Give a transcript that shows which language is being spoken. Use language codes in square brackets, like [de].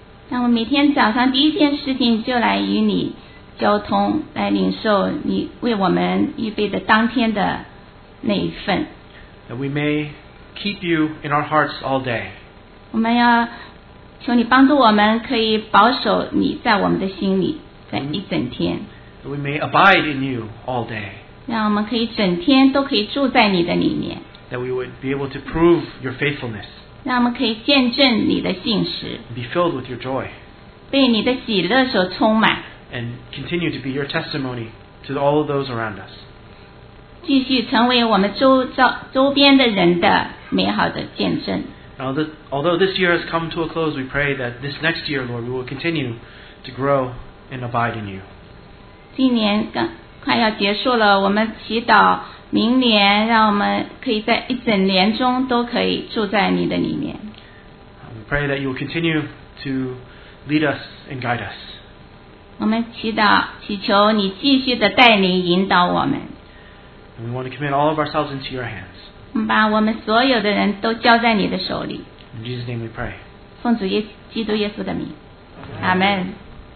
[zh] 让我每天早上第一件事情就来与你交通，来领受你为我们预备的当天的那一份。 [en] That we may keep you in our hearts all day. [zh] 我们要求你帮助我们可以保守你在我们的心里。 [en] That we may abide in you all day. [zh] 让我们可以整天都可以住在你的里面。 [en] That we would be able to prove your faithfulness. [zh] 让我们可以见证你的信实。 [en] Be filled with your joy. [zh] 被你的喜乐所充满。 [en] And continue to be your testimony to all of those around us. [zh] 继续成为我们周边的人的美好的见证。 [en] Although this year has come to a close, we pray that this next year, Lord, we will continue to grow. And abide in you. [zh] 今年快要结束了，我们祈祷明年，让我们可以在一整年中都可以住在你的里面。 [en] We pray that you will continue to lead us and guide us. [zh] 我们祈求你继续的带领引导我们。 [en] And we want to commit all of ourselves into your hands. [zh] 我们把我们所有的人都交在你的手里。 [en] In Jesus' name we pray. [zh] 奉主耶基督耶稣的名，阿门。